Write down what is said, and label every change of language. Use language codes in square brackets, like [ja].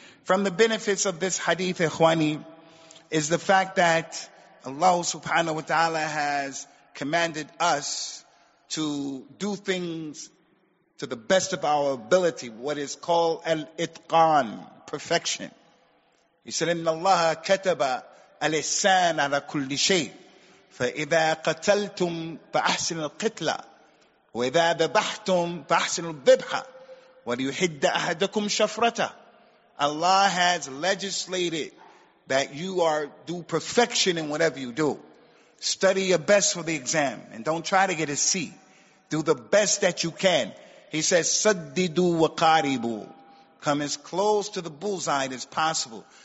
[en] From the benefits of this hadith, ikhwani, is the fact that Allah subhanahu wa ta'ala has commanded us to do things to the best of our ability, what is called al-itqan, perfection. He said, [ar] إِنَّ اللَّهَ كَتَبَ الْإِحْسَانَ عَلَى كُلِّ شَيْءٍ فَإِذَا قَتَلْتُمْ فَأَحْسِنُوا الْقِتْلَ. وإذا ذبحتم فأحسنوا الذبحة وليحد أحدكم شفرته. [en] Allah has legislated that you are do perfection in whatever you do. Study your best for the exam and don't try to get a C. Do the best that you can. He says, Saddidu wa qaribu. Come as close to the bullseye as possible.